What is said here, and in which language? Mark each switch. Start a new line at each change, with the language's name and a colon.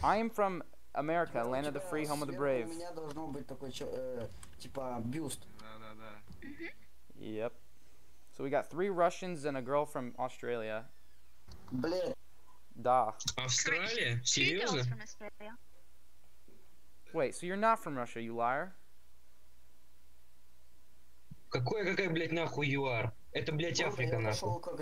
English: I am from America, land of the free, home of the brave.
Russian: У меня должно быть такой, типа, бюст. Да-да-да.
English: Yep. So we got three Russians and a girl from Australia.
Russian: Блин. Да. Австралия? Серьезно?
English: Wait, so you're not from Russia, you liar?
Russian: Какая, блядь, нахуй,
English: you are?
Russian: Это, блядь, Африка, нахуй.